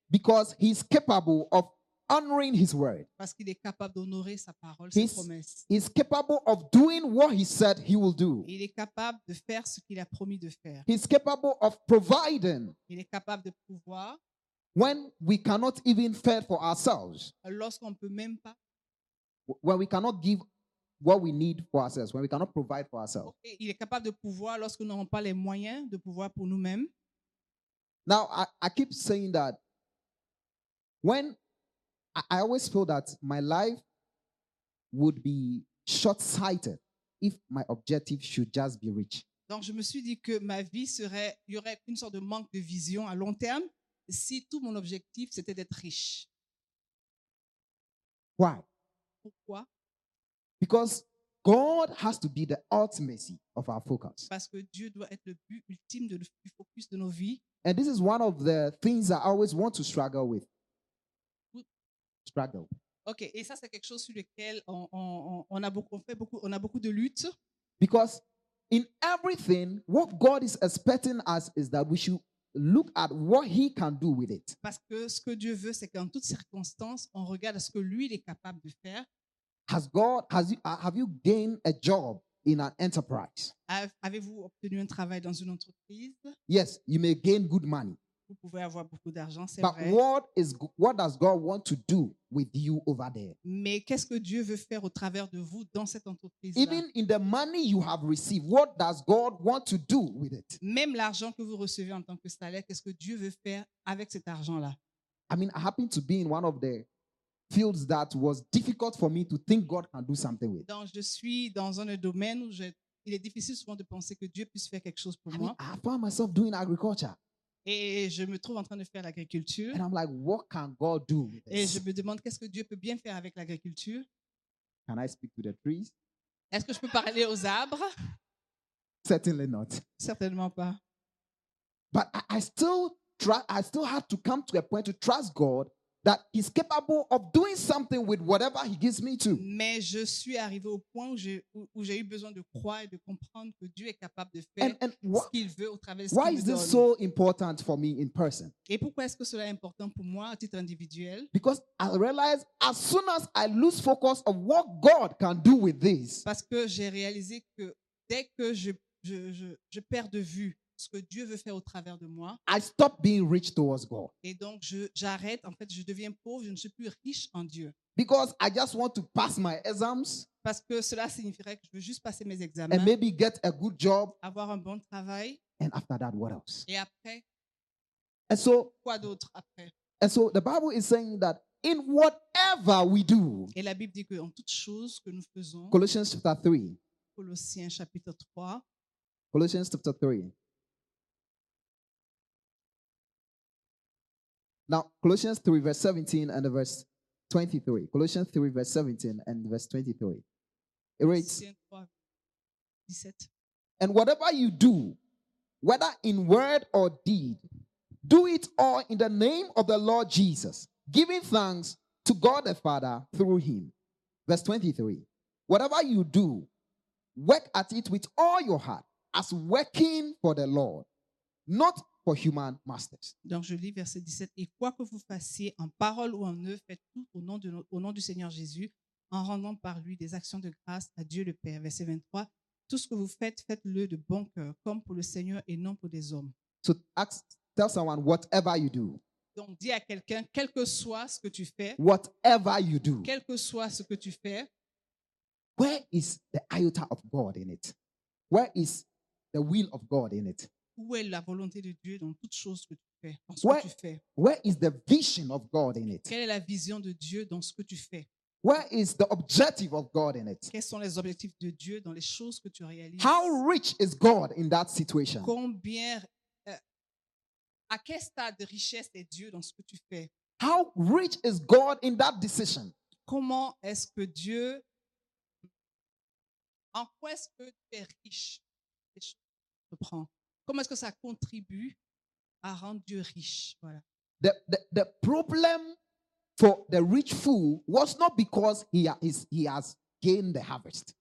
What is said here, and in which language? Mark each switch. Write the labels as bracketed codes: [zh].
[en] Because he's capable of honoring his word. [fr] Parce qu'il est capable d'honorer sa parole, sa promesse. [en] He's capable of doing what he said he will do. [fr] Il est capable de faire ce qu'il a promis de faire. [en] He's capable of providing. [fr] Il est capable de pouvoir. [en] When we cannot even fend for ourselves. [fr] Lorsqu'on peut même pas. [en] When we cannot give what we need for ourselves, when we cannot provide for ourselves. [fr] Il est capable de pouvoir lorsque nous n'avons pas les moyens de pouvoir pour nous-mêmes. [en] Now I keep saying that when I always feel that my life would be short-sighted if my objective should just be rich. [fr] Donc je me suis dit que ma vie serait, il y aurait une sorte de manque de vision à long terme si tout mon objectif c'était d'être riche. [en] Why? [fr] Pourquoi? [en] Because God has to be the ultimacy of our focus. [fr] Parce que Dieu doit être le but ultime de le focus de nos vies. [en] And this is one of the things I always want to struggle with. Struggle. [fr] Okay, et ça c'est quelque chose sur lequel on a beaucoup de luttes. [en] Because in everything, what God is expecting us is that we should look at what he can do with it. [fr] Parce que ce que Dieu veut, c'est qu'en toutes circonstances, on regarde à ce que lui il est capable de faire. [en] Have you gained a job in an enterprise? [fr] Avez-vous obtenu un travail dans une entreprise? [en] Yes, you may gain good money. [fr] Vous pouvez avoir beaucoup d'argent, c'est [en] but [fr] vrai. [en] But what does God want to do with you over there? [fr] Mais qu'est-ce que Dieu veut faire au travers de vous dans cette entreprise? [en] Even in the money you have received, what does God want to do with it? [fr] Même l'argent que vous recevez en tant que salaire, qu'est-ce que Dieu veut faire avec cet argent-là? [en] I mean, I happen to be in one of the fields that was difficult for me to think God can do something with. [fr] Donc je suis dans un domaine où il est difficile souvent de penser que Dieu puisse faire quelque chose pour moi. [en] I found myself doing agriculture. [fr] Et je me trouve en train de faire l'agriculture. [en] And I'm like, what can God do? [fr] Et je me demande qu'est-ce que Dieu peut bien faire avec l'agriculture. [en] Can I speak to the trees? [fr] Est-ce que je peux parler aux arbres? [en] Certainly not. [fr] Certainement pas. [en] But I still had to come to a point to trust God that he's capable of doing something with whatever he gives me to. [fr] Mais je suis arrivé au point où j'ai eu besoin de croire et de comprendre que Dieu est capable de faire ce qu'il veut au travers de ce qu'il me donne. [en] Why is this so important for me in person? [fr] Et pourquoi est-ce que cela est important pour moi à titre individuel? [en] Because I realize as soon as I lose focus of what God can do with this. [fr] Parce que j'ai réalisé que dès que je perds de vue ce que Dieu veut faire au travers de moi. [en] I stop being rich towards God. [fr] Et donc j'arrête, en fait, je deviens pauvre, je ne suis plus riche en Dieu. [en] Because I just want to pass my exams. [fr] Parce que cela signifierait que je veux juste passer mes examens. [en] And maybe get a good job. [fr] Avoir un bon travail. [en] And after that, what else? [fr] Et après? [en] And so, [fr] quoi d'autre après? [en] And so the Bible is saying that in whatever we do. [fr] Et la Bible dit que en toutes choses que nous faisons. [en] Colossians chapter 3. [fr] Colossiens chapitre 3. [en] Colossians chapter 3. Now, Colossians 3, verse 17 and verse 23. Colossians 3, verse 17 and verse 23. It reads, 17. And whatever you do, whether in word or deed, do it all in the name of the Lord Jesus, giving thanks to God the Father through him. Verse 23. Whatever you do, work at it with all your heart, as working for the Lord, not for human masters. [fr] Donc je lis verset 17. Et quoi que vous fassiez, en parole ou en œuvre, faites tout au nom du Seigneur Jésus, en rendant par lui des actions de grâce à Dieu le Père. Verset 23. Tout ce que vous faites, faites-le de bon cœur, comme pour le Seigneur et non pour des hommes. [en] So ask, tell someone whatever you do. [fr] Donc dis à quelqu'un, quel que soit ce que tu fais. [en] Whatever you do. [fr] Quel que soit ce que tu fais. [en] Where is the iota of God in it? Where is the will of God in it? [fr] Où est la volonté de Dieu dans toutes choses que tu fais, dans ce [en] where, [fr] que tu fais? [en] Where is the vision of God in it? [fr] Quelle est la vision de Dieu dans ce que tu fais? [en] Where is the objective of God in it? [fr] Quels sont les objectifs de Dieu dans les choses que tu réalises? [en] How rich is God in that situation? [fr] Combien à quel stade de richesse est Dieu dans ce que tu fais? [en] How rich is God in that decision? [fr] Comment est-ce que Dieu en quoi est-ce que tu es riche? Les choses que tu prends. Comment est-ce que ça contribue à rendre Dieu riche? Voilà. [en] The problem for the rich fool was not because he has gained the harvest.